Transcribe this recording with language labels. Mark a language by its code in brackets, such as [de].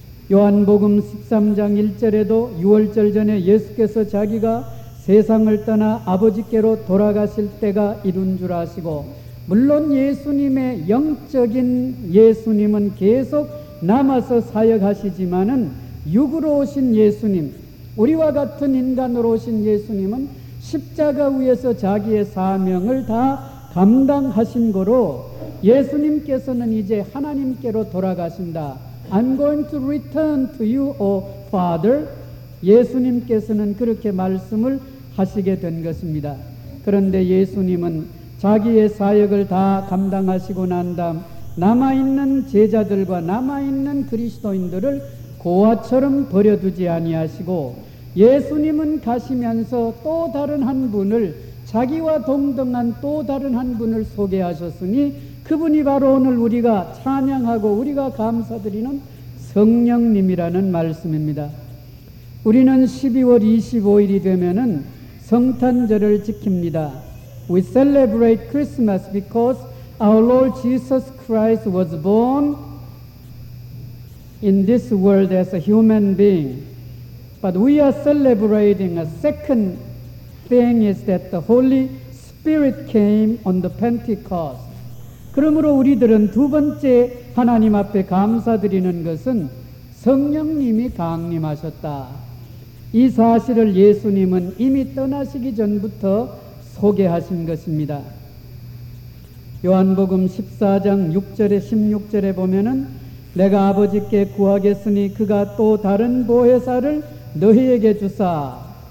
[ko] 요한복음 13장 1절에도 유월절 전에 예수께서 자기가 세상을 떠나 아버지께로 돌아가실 때가 이룬 줄 아시고, 물론 예수님의 영적인 예수님은 계속 남아서 사역하시지만은 육으로 오신 예수님, 우리와 같은 인간으로 오신 예수님은 십자가 위에서 자기의 사명을 다 감당하신 거로 예수님께서는 이제 하나님께로 돌아가신다. [en] I'm going to return to you, O Father. [ko] 예수님께서는 그렇게 말씀을 하시게 된 것입니다. 그런데 예수님은 자기의 사역을 다 감당하시고 난 다음 남아있는 제자들과 남아있는 그리스도인들을 고아처럼 버려두지 아니하시고 예수님은 가시면서 또 다른 한 분을, 자기와 동등한 또 다른 한 분을 소개하셨으니 그분이 바로 오늘 우리가 찬양하고 우리가 감사드리는 성령님이라는 말씀입니다. 우리는 12월 25일이 되면은 성탄절을 지킵니다. [en] We celebrate Christmas because our Lord Jesus Christ was born in this world as a human being. But we are celebrating a second thing is that the Holy Spirit came on the Pentecost. [ko] 그러므로 우리들은 두 번째 하나님 앞에 감사드리는 것은 성령님이 강림하셨다. 이 사실을 예수님은 이미 떠나시기 전부터 소개하신 것입니다. 요한복음 14장 6절에 16절에 보면은 내가 아버지께 구하겠으니 그가 또 다른 보혜사를 너희에게 주사.